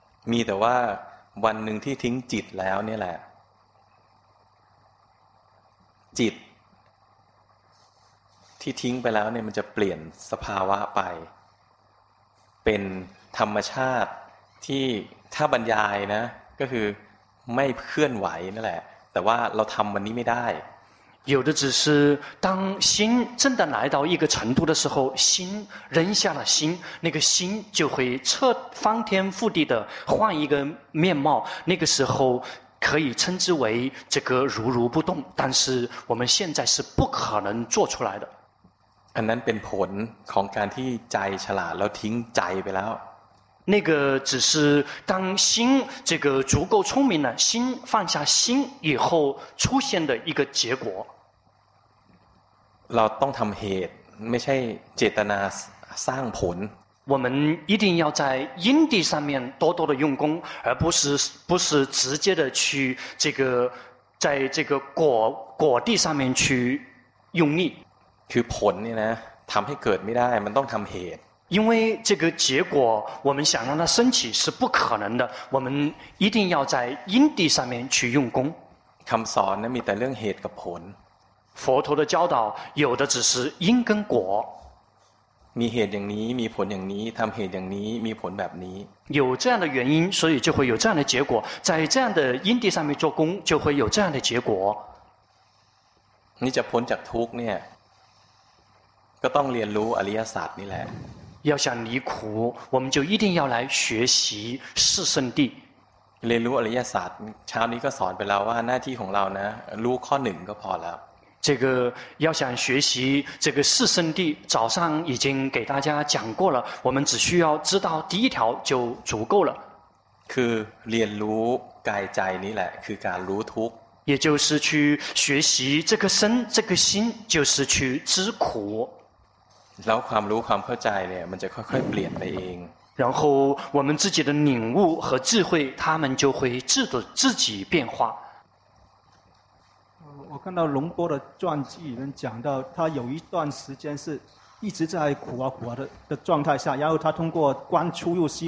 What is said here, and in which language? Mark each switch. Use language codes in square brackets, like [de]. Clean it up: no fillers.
[th] มีแต่ว่าวันหนึ่งที่ทิ้งจิตแล้วนี่แหละจิตที่ทิ้งไปแล้วเนี่ยมันจะเปลี่ยนสภาวะไ ป็นธรรมชาติที่ถ้าบรรยายนะก็คือไม่เคลื่อนไหวนั่นแหละแต่ว่าเราทำวันนี้ไม่ได้ [zh] 有的只是当心真的来到一个程度的时候，心扔下了心，那个心就会彻翻天覆地的换一个面貌。那个时候可以称之为这个如如不动，但是我们现在是不可能做出来的。 [th] อันนั้นเป็นผลของการที่ใจฉลาดแล้วทิ้งใจไปแล้ว [zh] 那个只是当心这个足够聪明了，心放下心以后出现的一个结果。 [th] เราต้องทำเหตุไม่ใช่เจตนาสร้างผล。 [zh] 我们一定要在因地上面多多的用功，而不是直接的去这个在这个果地上面去用力。 [th] คือผลเนี่ยนะทำให้เกิดไม่ได้มันต้องทำเหตุ。 [zh] 因为这个结果我们想让它升起是不可能的，我们一定要在因地上面去用功。 [th] คำสอนนั้นมีแต่เรื่องเหตุกับผล。 [zh] 佛陀的教导有的只是因跟果。 [th] มีเหตุอย่างนี้มีผลอย่างนี้ทำเหตุอย่างนี้มีผลแบบนี้。 [zh] 有这样的原因，所以就会有这样的结果。在这样的因地上面做功，就会有这样的结果。你 [th] จะพ้นจากทุกข์เนี่ยก็ต้องเรียนรู้อริยสัจนี่แหละ。 [zh] 要想离苦，我们就一定要来学习四圣谛。 [th] เรียนรู้อริยสัจเช้านี้ก็สอนไปแล้วว่าหน้าที่ของเรานะรู้ข้อหนึ่งก็พอแล้ว。 [zh] 这个要想学习这个四圣谛，早上已经给大家讲过了，我们只需要知道第一条就足够了。 [th] คือเรียนรู้กายใจนี่แหละคือการรู้ทุกข์。 [zh] 也就是去学习这个身这个心，就是去知苦。 [th] แล้วความรู้ความเข้าใจเนี่ยมันจะค่อยๆเปลี่ยนไปเอง [zh] 然后我们自己的领悟和智慧他们就会自己变化我看到龙波的传记里面讲到他有一段时间是一直在苦啊苦啊 的状态下然后他通过观出入息